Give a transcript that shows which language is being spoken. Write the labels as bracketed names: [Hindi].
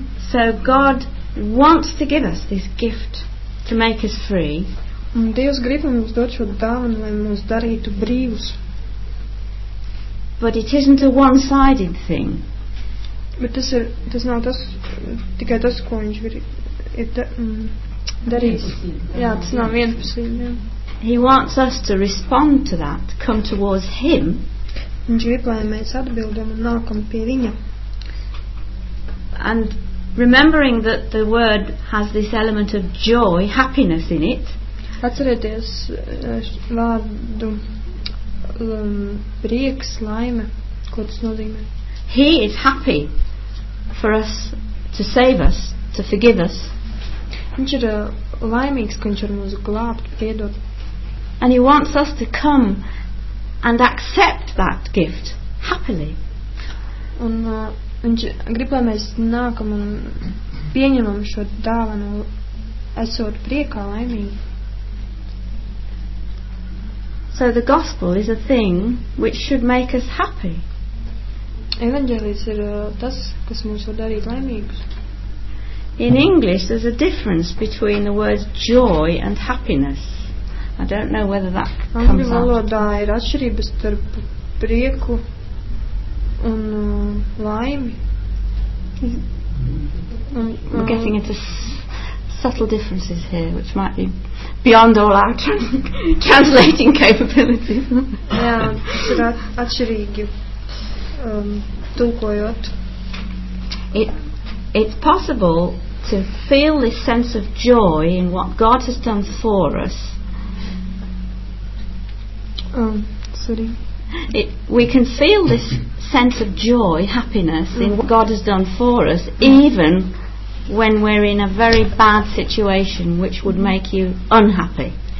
[English] So God wants to give us this gift to make us free. [Latvian] Un Dievs grib mums dot šo dāvanu, lai mūs darītu brīvus. [English] But it isn't a one-sided thing. [Latvian] Bet tas ir, tas nav tas, tikai tas, ko viņš ir, darīs. Jā, tas nav vienpusīgi. [English] He wants us to respond to that, come towards him. [Latvian] Viņš grib, lai mēs atbildam un nākam pie viņa. [English] And remembering that the word has this element of joy, happiness in it. [Latvian] Atcerieties vārdu prieks, laime, ko tas nozīmē. [English] He is happy for us to save us, to forgive us. [Latvian] Viņš ir laimīgs, ka viņš var mūs glābt, piedot. [English] And he wants us to come and accept that gift happily. [Latvian] Un viņš grib, lai mēs nākam un pieņemam šo dāvanu, esot priekā laimīgi. [English] So the gospel is a thing which should make us happy. [Latvian] Evangelis ir tas, kas mums var darīt laimīgus. [English] In English there's a difference between the words joy and happiness. I don't know whether that comes out. [Latvian] Angļu valodā ir atšķirība starp prieku un laimi. [English] We're getting into subtle differences here which might be beyond all our translating capability. [Latvian] Jā, tas ir atšķirīgi tulkojot. [English] It's possible to feel this sense of joy in what God has done for us. Sorry. we can feel this sense of joy, happiness in what God has done for us, even when we're in a very bad situation which would make you unhappy.